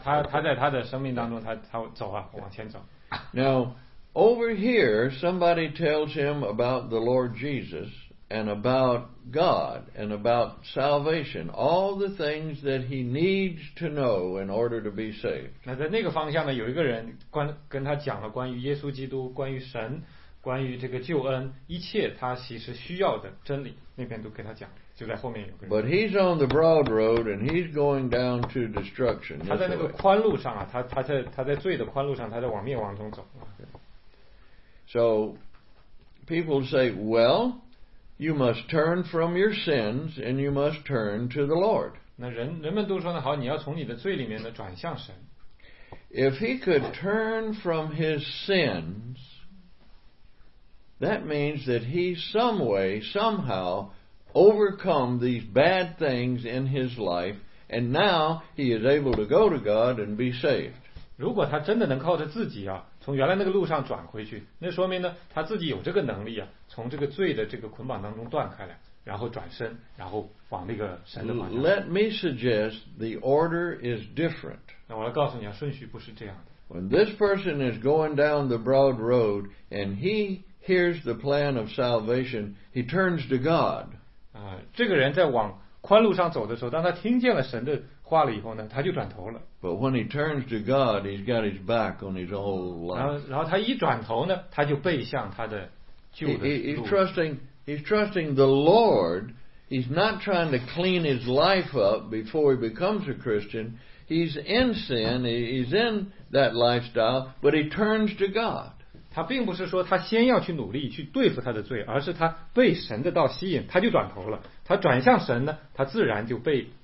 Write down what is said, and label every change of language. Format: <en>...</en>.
<zh>他在他的生命当中，他走啊，往前走。</zh> <en>Now over here, somebody tells him about the Lord Jesus and about God and about salvation, all the things that he needs to know in order to be saved.</en> <zh>那在那个方向呢, 有一个人跟他讲了关于耶稣基督, 关于神, 关于这个救恩, 一切他其实需要的真理, 那边都跟他讲, 就在后面有个人。</zh> <en>But he's on the broad road and he's going down to destruction.</en> <zh>他在那个宽路上啊, 他在罪的宽路上, 他在往灭亡中走。</zh> <en>So people say, well, you must turn from your sins and you must turn to the Lord.</en> <zh>那人们都说呢, 好, 你要从你的罪里面呢,</zh> <en>if he could turn from his sins, that means that he some way, somehow, overcome these bad things in his life, and now he is able to go to God and be saved.</en> <zh>如果他真的能靠着自己啊, 从原来那个路上转回去, 那说明呢, 他自己有这个能力啊, 从这个罪的这个捆绑当中断开来, 然后转身, 然后往那个神的方向。</zh> <en>Let me suggest the order is different.</en> <zh>那我来告诉你啊, 顺序不是这样的。</zh> <en>When this person is going down the broad road and he hears the plan of salvation, he turns to God.</en> <zh>这个人在往宽路上走的时候, 当他听见了神的, 话了以后呢, 他就转头了。</zh> <en>But when he turns to God, he's got his back on his whole life.</en> <zh>然后他一转头呢, 他就背向他的旧的路。</zh> <en>He's trusting the Lord. He's not trying to clean his life up before he becomes a Christian. He's in sin. He's in that lifestyle. But he turns to God.</en> <zh>他并不是说他先要去努力去对付他的罪, 而是他被神的道吸引, 他就转头了。他转向神呢, 他自然就被</zh>